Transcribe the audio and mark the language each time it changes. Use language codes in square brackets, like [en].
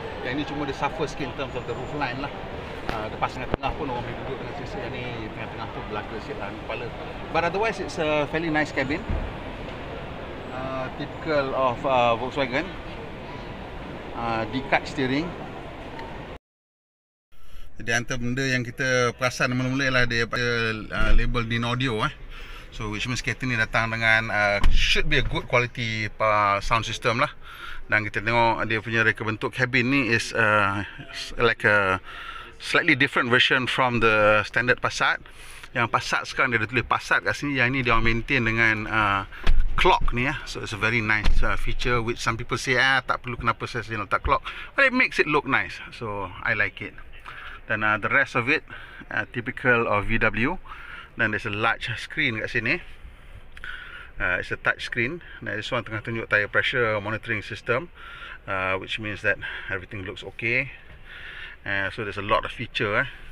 [ms] Yang ni cuma dia suffer sikit [en] in terms of the roof line [ms] lah. Lepas tengah-tengah pun orang boleh duduk dengan sisi yang ni, tengah-tengah tu belaka sikit lah kepala. [en] But otherwise it's a fairly nice cabin, typical of Volkswagen. D-cut steering. [ms] Jadi antara benda yang kita perasan mula-mula ialah dia pada label Dean Audio eh. [en] So which means [ms] kereta ni datang dengan [en] should be a good quality sound system lah. [ms] Dan kita tengok dia punya reka bentuk cabin ni [en] is like a slightly different version from the standard Passat. [ms] Yang Passat sekarang dia tulis Passat kat sini, yang ni dia maintain dengan clock ni ya. [en] So it's a very nice feature which some people say [ms] tak perlu, kenapa saya sini letak clock. [en] But it makes it look nice, so I like it. Dan the rest of it typical of VW. Dan there's a large screen [ms] kat sini, [en] it's a touch screen. Now this one [ms] tengah tunjuk [en] tire pressure monitoring system, which means that everything looks okay. So there's a lot of feature